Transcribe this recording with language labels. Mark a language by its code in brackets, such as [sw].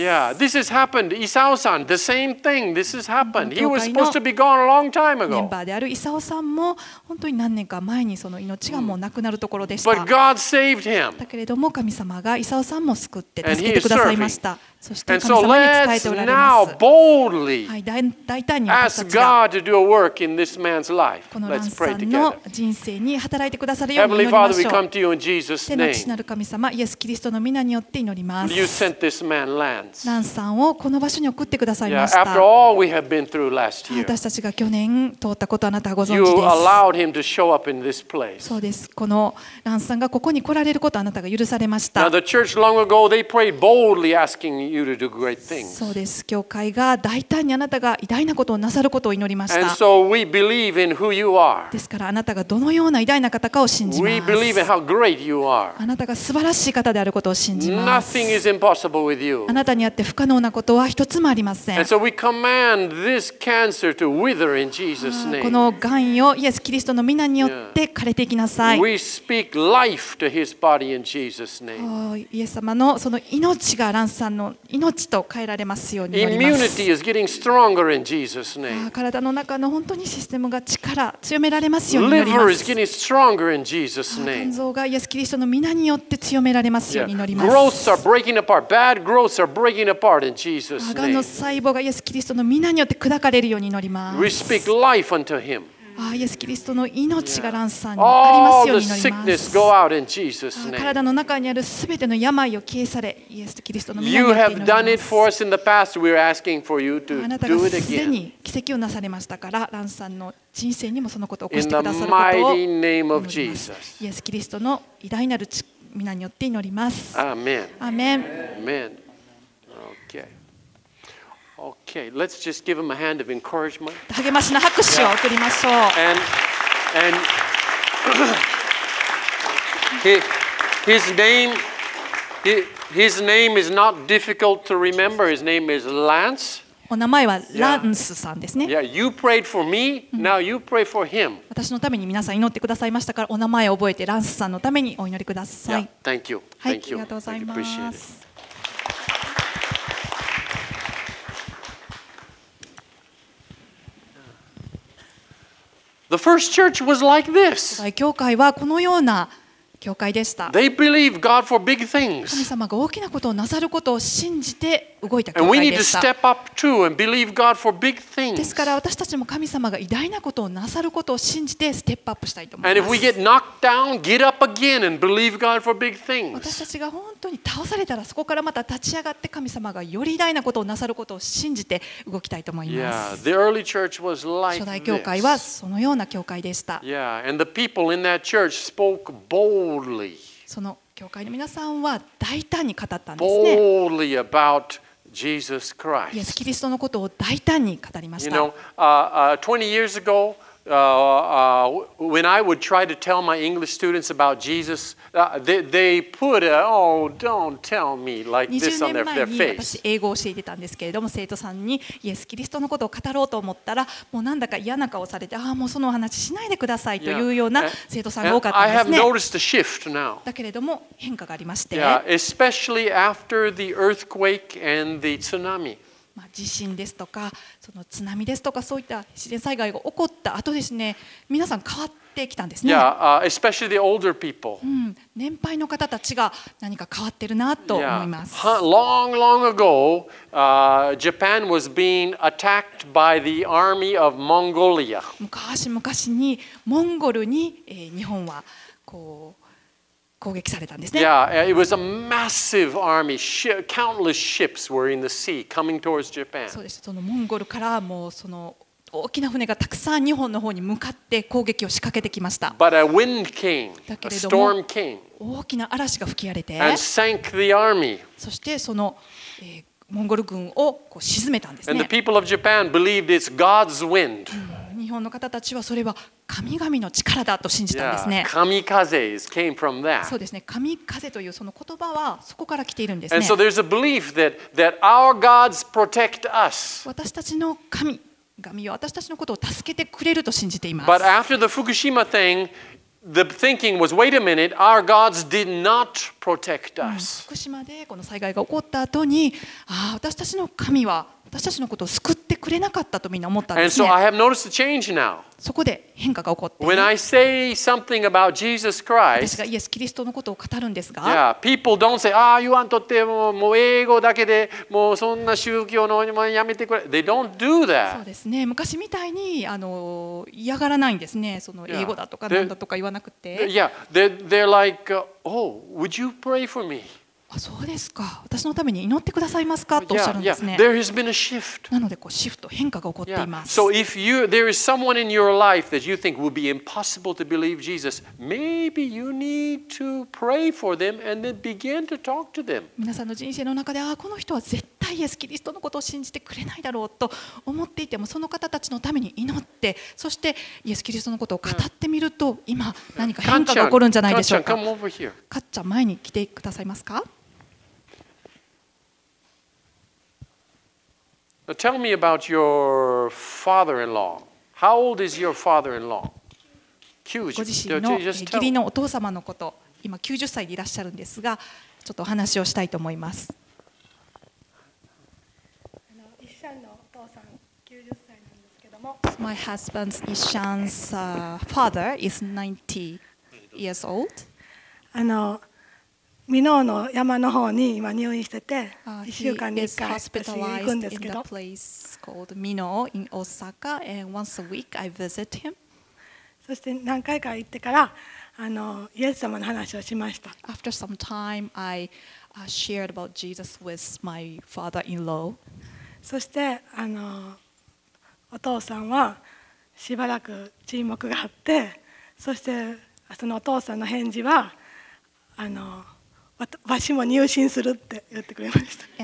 [en] Yeah, this has happened. Isao-san, the same thing. This has happened. He was supposed to be gone a long time ago. [ja] メンバーである Isao さんも本当に何年か前にその命がもうなくなるところでした。 [en] But God saved him. [ja] だけれども神様が Isao さんも救って助けてくださいました。そして神様に仕えておられます。 [en] And so let's now boldly. [ja] 大胆に [en] ask God to do a work in this man's life. [ja] このランさんの人生に働いてくださるように祈りましょう。 [en] Heavenly Father, we come to you in Jesus' name. [ja] 天の父なる神様、イエス・キリストの皆によって祈ります。 [en] You sent this man Lance. [ja] ランさんをこの場所に送ってくださいました。 [en] After all we have been through last year. [ja] 私たちが去年通ったことあなたはご存知です。 [en] You allowed him to show up in this place. [ja] そうです。このランさんがここに来られることあなたが許されました。 [en] Now the church long ago they prayed boldly asking you to do great things. [ja] そうです。教会が大胆にあなたが偉大なことをなさることを祈りました。 [en] And so we believe in who you are. [ja] ですからあなたがどのような偉大な方かを信じます。 [en] We believe in how great you are. [ja] あなたが素晴らしい方であること。 [en] Nothing is impossible with you. [ja] あなたにあって不可能なことは一つもありません。 [en] And so we command this cancer to wither in Jesus' name. [ja] このがんをイエス・キリストの皆によって枯れていきなさい。 [en] We speak life to his body in Jesus' name. [ja] イエス様のその命がランスさんの命と変えられますように祈ります。 [en] Immunity is getting stronger in Jesus' name. [ja] 体の中の本当にシステムが力強められますように祈ります。 [en] Liver is getting stronger in Jesus' name. [ja] 肝臓がイエス・キリストの皆によって強められますように。 [en] Growths are breaking apart. Bad growths are breaking apart in Jesus' name. [ja] がんの細胞がイエス・キリストの皆によって砕かれるように祈ります。 [en] We speak life unto him. [ja] イエス・キリストの命がランスさんにありますように祈ります。 [en] All the sickness go out in Jesus' name. [ja] 体の中にあるすべての病を消え去れ、イエス・キリストの皆によって祈ります。 [en] You have done it for us in the past. We are asking for you to do it again. [ja] あなたがすでに奇跡をなされましたから、ランスさんの人生にもそのことを起こしてくださることを祈ります。 [en] In the mighty name of Jesus. [ja] イエス・キリストの偉大なる力皆によって祈ります。アーメン。アーメン。アーメン。 [en] Okay. Okay. Let's just give him a hand of encouragement. [ja] 励ましの拍手を送りましょう。 [en] Yeah. And his name is not difficult to remember. His name is Lance. [ja] お名前はランスさんですね。 [en] Yeah. Yeah, you prayed for me. Now you pray for him. [ja] 私のために皆さん祈ってくださいましたから、お名前を覚えてランスさんのためにお祈りください。 [en] Yeah. Thank you. [ja] はい、ありがとうございます。 [en] The first church was like this. [ja] 教会はこのような教会でした。 [en] They believe God for big things. [ja] 神様が大きなことをなさることを信じて動いた教会でした。 [en] And we need to step up too and believe God for big things. [ja] ですから私たちも神様が偉大なことをなさることを信じてステップアップしたいと思います。 [en] And if we get knocked down, get up again and believe God for big things. [ja] 私たちが本当に倒されたらそこからまた立ち上がって神様がより偉大なことをなさることを信じて動きたいと思います。 [en] Yeah, the early church was like this. [ja] 初代教会はそのような教会でした。 [en] Yeah, and the people in that church spoke boldly. [ja] その教会の皆さんは大胆に語ったんです [en] ね。Boldly about Jesus Christ. [ja] イエス・キリストのことを大胆に語りました。 [en] You know, 20 years ago, when I would try to tell my English students about Jesus, they put, oh, don't tell me like this on their face. 20 [ja] 年前に私英語を教えてたんですけれども、生徒さんにイエス・キリストのことを語ろうと思ったら、もうなんだか嫌な顔されて、ああ、もうそのお話しないでくださいというような生徒さんが多かったんですね。 [en] Yeah. And I have noticed the shift now. [ja] だけれども変化がありまして。 [en] Yeah, especially after the earthquake and the tsunami. [ja] まあ、地震ですとかその津波ですとかそういった自然災害が起こった後ですね、皆さん変わってきたんですね。 [en] Yeah, especially the older people. [ja] 年配の方たちが何か変わってるなと思います。 [en] Yeah. Long, long ago, Japan was being attacked by the army of Mongolia. [ja] 昔々にモンゴルに、日本はこう攻撃されたんですね。 [en] Yeah, it was a massive army. Countless ships were in the sea coming towards Japan. [ja] そうです。そのモンゴルからもうその大きな船がたくさん日本の方に向かって攻撃を仕掛けてきました。 [en] But a wind came, a storm came. [ja] 大きな嵐が吹き荒れて、 [en] and sank the army. [ja] そしてその、モンゴル軍をこう沈めたんですね。 [en] And the people of Japan believed it's God's wind. [ja] 日本の方たちはそれは神々の力だと信じたんですね。 [en] 神風 came from that. [ja] そうですね。神風というその言葉はそこから来ているんですね。 [en] And so there's a belief that our gods protect us. [ja] 私たちの神々は私たちのことを助けてくれると信じています。 [en] But after the Fukushima thing, the thinking was, wait a minute, our gods did not protect us. [ja] 福島でこの災害が起こった後に、ああ私たちの神は私たちのことを救ってくれなかったとみんな思ったんですね。 [en] And so I have noticed a change now. [ja] そこで変化が起こって、 [en] When I say something about Jesus Christ, [ja] 私がイエス・キリストのことを語るんですが、 [en] yeah, people don't say, ah, you want to [ja] って、もう英語だけで、もうそんな宗教のもやめてくれ。 [en] They don't do that. [ja] そうですね。昔みたいに嫌がらないんですね。その英語だとかなんだとか言わなくて。 [en] Yeah, they're like, oh, would you pray for me? [ja] そうですか。私のために祈ってくださいますかとおっしゃるんですね。 [en] Yeah, yeah. There has been a shift. [ja] なのでこうシフト変化が起こっています。 [en] Yeah. So if you there is someone in your life that you think would be impossible to believe Jesus, maybe you need to pray for them and then begin to talk to them. [ja] 皆さんの人生の中で、ああこの人は絶対イエス・キリストのことを信じてくれないだろうと思っていても、その方たちのために祈って、そしてイエス・キリストのことを語ってみると、今何か変化が起こるんじゃないでしょうか。 [en] Come over here. [ja] かっちゃん前に来てくださいますか。 [en] Now tell me about your father-in-law. How old is your father-in-law? 90. [ja] 義理のお父様のこと、今90歳でいらっしゃるんですが、ちょっとお話をしたいと思います。 [en] My husband's Ishan's father is 90 years old. [ja] あの、箕面の山の方に今入院してて、1週間に1回私行くんですけど、 [en] he is hospitalized in the place called 箕面 in Osaka, and once a week I visit him. [ja] そして何回か行ってから、あのイエス様の話をしました。 [en] After some time, I shared about Jesus with my father-in-law. [ja] そしてあのお父さんはしばらく沈黙があって、そしてそのお父さんの返事はあの。私も入信するって言ってくれました。